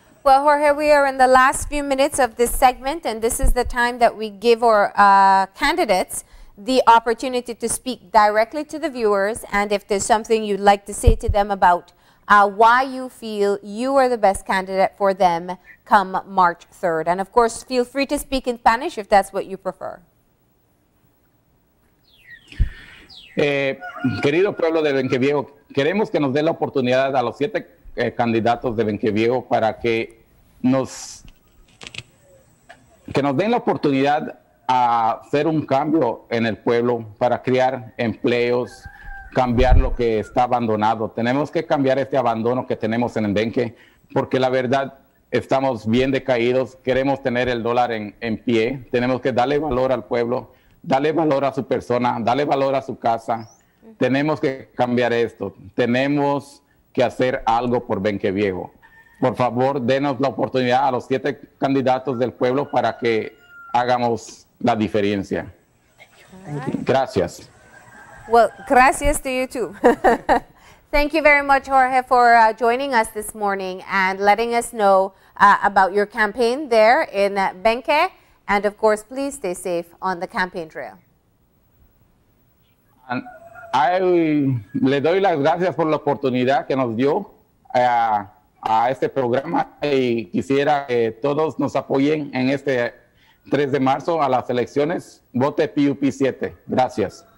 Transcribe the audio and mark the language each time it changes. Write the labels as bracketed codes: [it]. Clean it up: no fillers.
[en] Well, Jorge, we are in the last few minutes of this segment, and this is the time that we give our candidates the opportunity to speak directly to the viewers, and if there's something you'd like to say to them about why you feel you are the best candidate for them come March 3rd. And of course, feel free to speak in Spanish if that's what you prefer. [es] Querido pueblo de Benque Viejo, queremos que nos dé la oportunidad a los siete candidatos de Benque Viejo para que nos den la oportunidad a hacer un cambio en el pueblo para crear empleos, cambiar lo que está abandonado. Tenemos que cambiar este abandono que tenemos en Benque, porque la verdad estamos bien decaídos, queremos tener el dólar en pie, tenemos que darle valor al pueblo, darle valor a su persona, darle valor a su casa. Tenemos que cambiar esto, tenemos que hacer algo por Benque Viejo. Por favor, denos la oportunidad a los siete candidatos del pueblo para que hagamos la diferencia. Gracias. [en] Well, gracias to you too. Thank you very much, Jorge, for joining us this morning and letting us know about your campaign there in Benque. And of course, please stay safe on the campaign trail. [es] And I le doy las gracias por la oportunidad que nos dio a este programa, y quisiera que todos nos apoyen en este 3 de marzo a las elecciones. [en] Vote PUP 7. [es] Gracias.